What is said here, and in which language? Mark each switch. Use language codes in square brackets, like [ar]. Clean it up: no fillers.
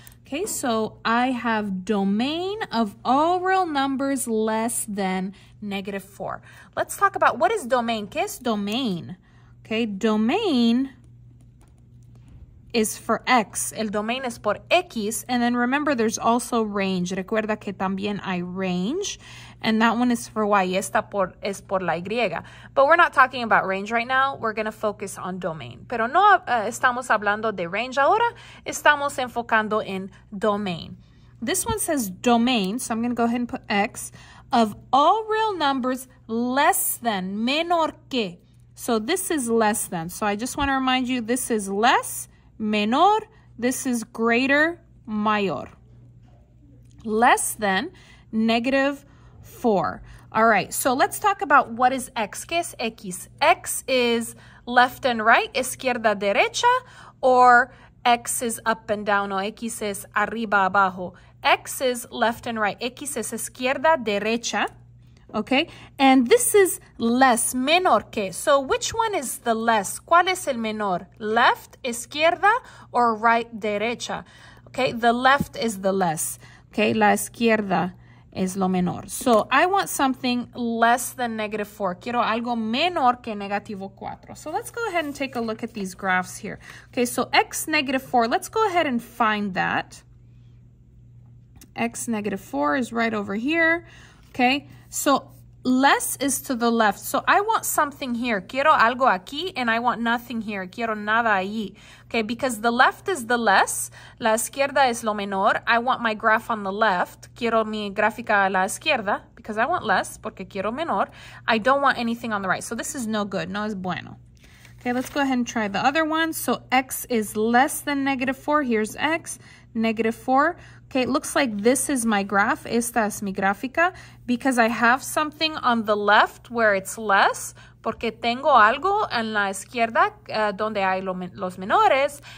[en] Okay, so I have domain of all real numbers less than negative 4. Let's talk about what is domain. [es] ¿Qué es domain? [en] Okay, domain is for x. [es] El domain es por x. [en] And then remember, there's also range. [es] Recuerda que también hay range. [en] And that one is for y. [es] Esta es por la y. [en] But we're not talking about range right now. We're going to focus on domain. [es] Pero no estamos hablando de range ahora. Estamos enfocando en domain. [en] This one says domain. So I'm going to go ahead and put x. Of all real numbers less than, [es] menor que. [en] So this is less than. So I just want to remind you, this is less, menor, this is greater, mayor. Less than negative 4. All right, so let's talk about what is x. [es] ¿Qué es x? [en] X is left and right, [es] izquierda, derecha, [en] or x is up and down, [es] o x es arriba, abajo. [en] X is left and right, [es] x es izquierda, derecha. [en] Okay, and this is less, [es] menor que. [en] So which one is the less? [es] ¿Cuál es el menor? Left, izquierda, or right, derecha? [en] Okay, the left is the less. [es] Okay, la izquierda es lo menor. [en] So I want something less than negative 4. [es] Quiero algo menor que negativo 4. [en] So let's go ahead and take a look at these graphs here. Okay, so x negative 4, let's go ahead and find that. X negative 4 is right over here. Okay, so less is to the left. So I want something here. [es] Quiero algo aquí [en] and I want nothing here. [es] Quiero nada allí. [en] Okay, because the left is the less. [es] La izquierda es lo menor. [en] I want my graph on the left. [es] Quiero mi gráfica a la izquierda [en] because I want less [es] porque quiero menor. [en] I don't want anything on the right. So this is no good. [es] No es bueno. [en] Okay, let's go ahead and try the other one. So x is less than negative 4. Here's x, negative 4. Okay, it looks like this is my graph. [es] Esta es mi gráfica. [en] Because I have something on the left where it's less. [es] Porque tengo algo en la izquierda donde hay los menores.